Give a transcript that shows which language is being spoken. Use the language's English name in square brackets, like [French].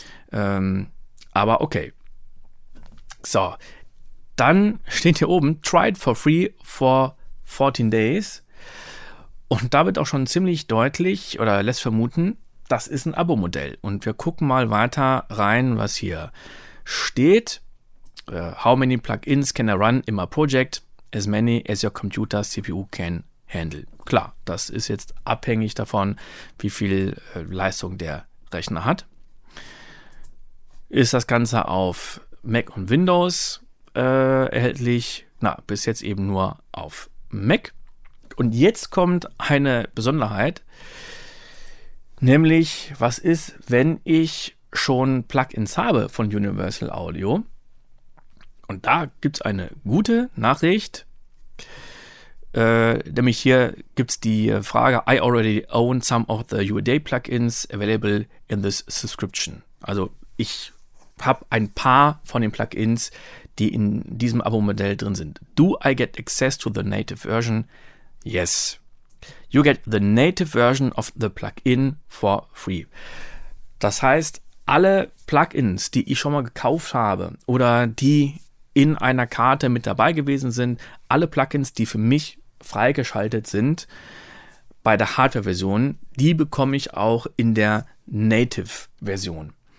[German] Aber okay. So, dann steht hier oben, [English] try it for free for 14 days. [German] Und da wird auch schon ziemlich deutlich oder lässt vermuten, das ist ein Abo-Modell. Und wir gucken mal weiter rein, was hier steht. [English] How many plugins can I run in my project? As many as your computer CPU can handle. [German] Klar, das ist jetzt abhängig davon, wie viel Leistung der Rechner hat. Ist das Ganze auf Mac und Windows erhältlich? Na, bis jetzt eben nur auf Mac. Und jetzt kommt eine Besonderheit, nämlich, was ist, wenn ich schon Plugins habe von Universal Audio? Und da gibt es eine gute Nachricht, nämlich hier gibt es die Frage, [English] I already own some of the UAD Plugins available in this subscription. [German] Also ich habe ein paar von den Plugins, die in diesem Abo-Modell drin sind. [English] Do I get access to the native version? Yes. You get the native version of the Plugin for free. [German] Das heißt, alle Plugins, die ich schon mal gekauft habe oder die in einer Karte mit dabei gewesen sind, alle Plugins, die für mich freigeschaltet sind bei der Hardware-Version, die bekomme ich auch in der Native-Version.